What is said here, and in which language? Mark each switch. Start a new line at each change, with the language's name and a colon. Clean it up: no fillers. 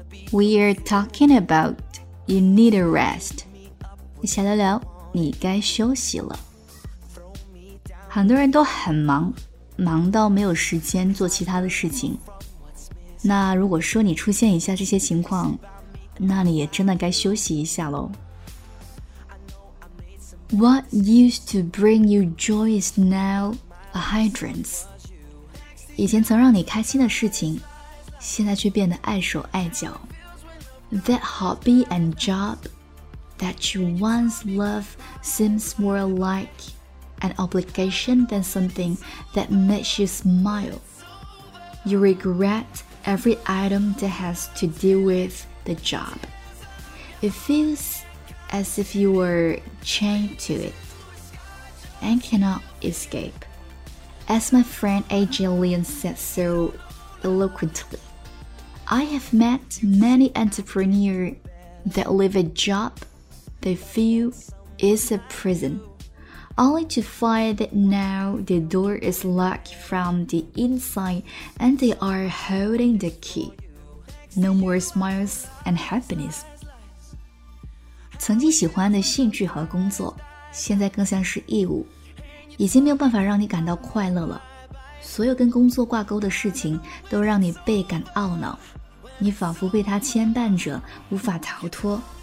English: We are talking about you need a rest，
Chinese: 小聊聊你该休息了。很多人都很忙，忙到没有时间做其他的事情，那如果说你出现一下这些情况，那你也真的该休息一下咯。
English: What used to bring you joy is now a hindrance.
Chinese: 以前曾让你开心的事情，现在却变得碍手碍脚。
English: That hobby and job that you once loved seems more like an obligation than something that makes you smile. You regretEvery item that has to do with the job. It feels as if you were chained to it and cannot escape. As my friend AJ Leon said so eloquently, I have met many entrepreneurs that leave a job they feel is a prison, only to find that now the door is locked from the inside and they are holding the key. No more smiles and happiness.
Chinese: 曾经喜欢的兴趣和工作，现在更像是义务，已经没有办法让你感到快乐了。所有跟工作挂钩的事情都让你倍感懊恼，你仿佛被它牵绊着无法逃脱。